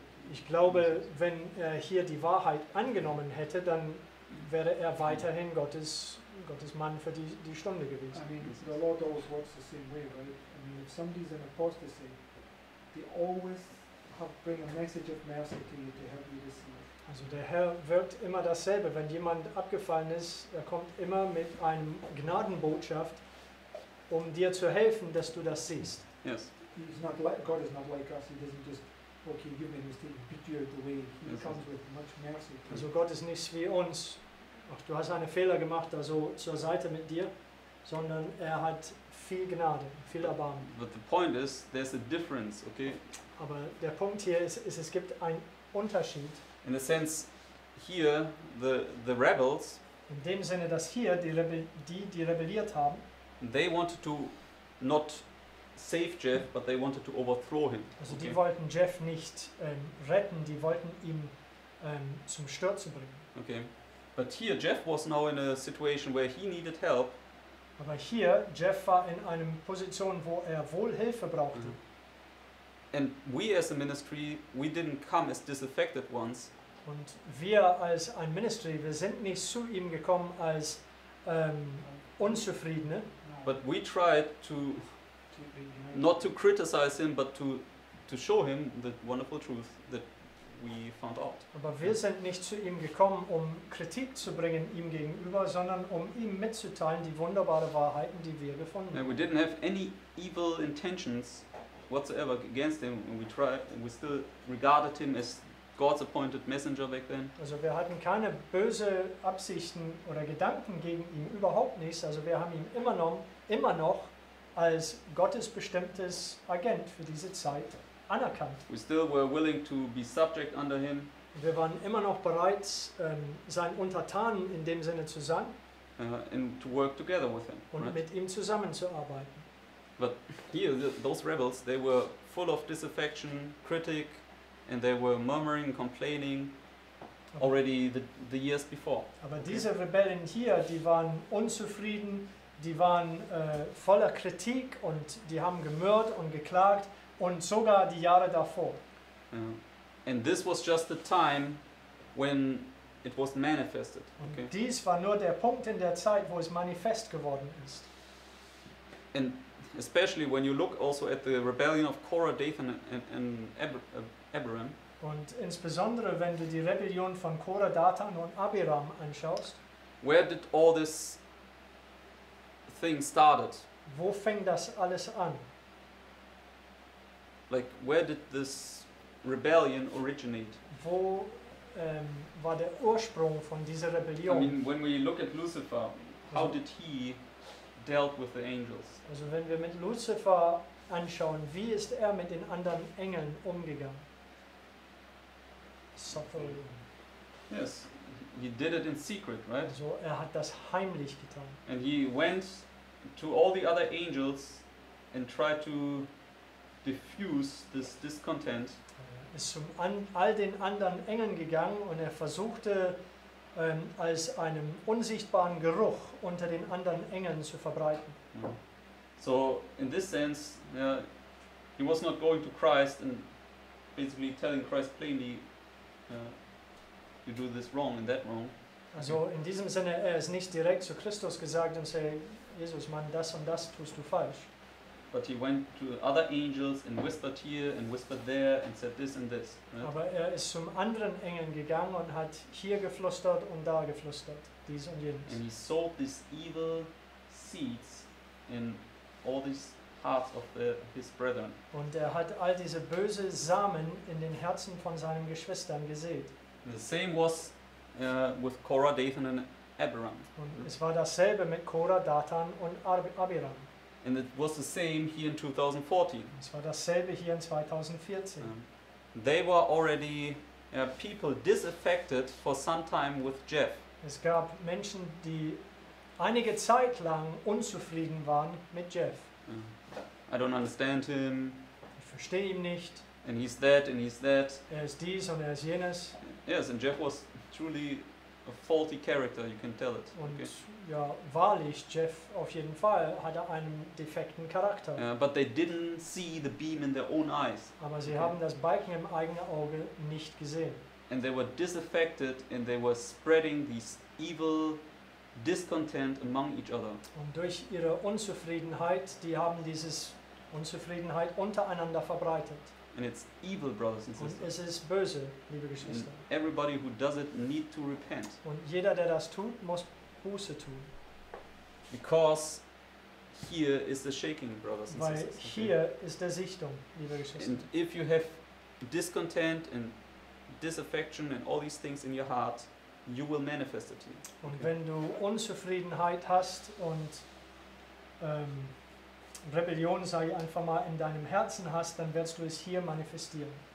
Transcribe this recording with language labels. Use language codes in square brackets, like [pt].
[de] Ich glaube, wenn er hier die Wahrheit angenommen hätte, dann wäre er weiterhin Gottes Mann für die Stunde gewesen. [en] I mean, the Lord always works the same way, right? I mean, if somebody is an apostasy, they always have bring a message of mercy to you to help you to see. [de] Also der Herr wirkt immer dasselbe. Wenn jemand abgefallen ist, er kommt immer mit einer Gnadenbotschaft, um dir zu helfen, dass du das siehst. [en] Yes. He's not like, God is not like us. He doesn't just, okay, give me a mistake, beat you out the way. He yes, comes yes. with much mercy. [de] Also Gott ist nicht wie uns. Ach, du hast einen Fehler gemacht, also zur Seite mit dir. Sondern er hat viel Gnade, viel Erbarmen. [en] But the point is, there's a difference, okay? [de] Aber der Punkt hier ist es gibt einen Unterschied. [en] In a sense, here the rebels. [de] In dem Sinne, dass hier die rebelliert haben. [en] They wanted to not save Jeff, but they wanted to overthrow him. [de] Also okay. Die wollten Jeff nicht retten, die wollten ihn zum Stürzen bringen. [en] Okay, but here Jeff was now in a situation where he needed help. [de] Aber hier Jeff war in einem Position, wo er wohl Hilfe brauchte. Mm-hmm. [en] And we as a ministry, we didn't come as disaffected ones. [de] Und wir als ein Ministry, wir sind nicht zu ihm gekommen als Unzufriedene. [en] But we tried to not to criticize him, but to show him the wonderful truth that we found out. [de] Aber wir sind nicht zu ihm gekommen, um Kritik zu bringen ihm gegenüber, sondern um ihm mitzuteilen die wunderbare Wahrheiten, die wir gefunden haben. [en] And we didn't have any evil intentions whatsoever against him, and we still regarded him as God's appointed messenger back then. [de] Also wir hatten keine böse Absichten oder Gedanken gegen ihn, überhaupt nichts. Also wir haben ihn immer noch als Gottes bestimmtes Agent für diese Zeit anerkannt. [en] We still were willing to be subject under him. [de] Wir waren immer noch bereit, sein Untertanen in dem Sinne zu sein. [en] And to work together with him. [de] Und [en] right? [de] mit ihm zusammenzuarbeiten. [en] But here, those rebels, they were full of disaffection, critic, and they were murmuring, complaining already the years before. [de] Aber diese Rebellen hier, die waren unzufrieden, die waren voller Kritik und die haben gemurrt und geklagt und sogar die Jahre davor. [en] And this was just the time when it was manifested. Okay. [de] Und dies war nur der Punkt in der Zeit, wo es manifest geworden ist. [en] And especially when you look also at the rebellion of Korah, Dathan and Abiram. [de] Und insbesondere wenn du die Rebellion von Korah, Dathan und Abiram anschaust. [en] Where did all this thing started? [de] Wo fing das alles an? [en] Like where did this rebellion originate? [de] Wo war der Ursprung von dieser Rebellion? [en] I mean, when we look at Lucifer, how did he dealt with the angels? [de] Also wenn wir mit Lucifer anschauen, wie ist er mit den anderen Engeln umgegangen? [en] Suffering. Yes, he did it in secret, right? [de] Also er hat das heimlich getan. [en] And he went to all the other angels and tried to diffuse this discontent. [de] Er ist zu all den anderen Engeln gegangen und er versuchte als einem unsichtbaren Geruch unter den anderen Engeln zu verbreiten. [en] So in this sense, yeah, he was not going to Christ and basically telling Christ plainly, you do this wrong and that wrong. [de] Also in diesem Sinne, er ist nicht direkt zu Christus gesagt und sagt, Jesus, Mann, das und das tust du falsch. [en] But he went to other angels and whispered here and whispered there and said this and this. Right? [de] Aber er ist zum anderen Engeln gegangen und hat hier geflüstert und da geflüstert, dies und jenes. [en] And he sowed these evil seeds in all these hearts of his brethren. [de] Und er hat all diese böse Samen in den Herzen von seinen Geschwistern gesät. [en] The same was with Korah, Dathan and Abiram. [de] Und es war dasselbe mit Korah, Dathan und Abiram. [en] And it was the same here in 2014. [de] Es war dasselbe hier in 2014. [en] They were already people disaffected for some time with Jeff. [de] Es gab Menschen, die einige Zeit lang unzufrieden waren mit Jeff. [en] I don't understand him. [de] Ich verstehe ihn nicht. [en] And he's that and he's that. [de] Er ist dies und er ist jenes. [en] Yes, and Jeff was truly a faulty character, you can tell it. [de] Und [en] okay. [de] Ja, wahrlich, Jeff auf jeden Fall hatte einen defekten Charakter. [en] But they didn't see the beam in their own eyes. [de] Aber sie haben das Balken im eigenen Auge nicht gesehen. [en] And they were disaffected and they were spreading these evil discontent among each other. [de] Und durch ihre Unzufriedenheit, die haben dieses Unzufriedenheit untereinander verbreitet. [en] And it's evil, brothers and sisters. [de] Und es ist böse, liebe Geschwister. [en] And everybody who does it need to repent. [de] Und jeder, der das tut, muss Buße tun. [en] Because here is the shaking, brothers and [de] Weil Weil hier ist der Sichtung, liebe Geschwister. [en] And if you have discontent and disaffection and all these things in your heart, you will manifest it. [de] Und wenn du Unzufriedenheit hast und Rebellion, sage ich einfach mal, in deinem Herzen hast, dann wirst du es hier manifestieren.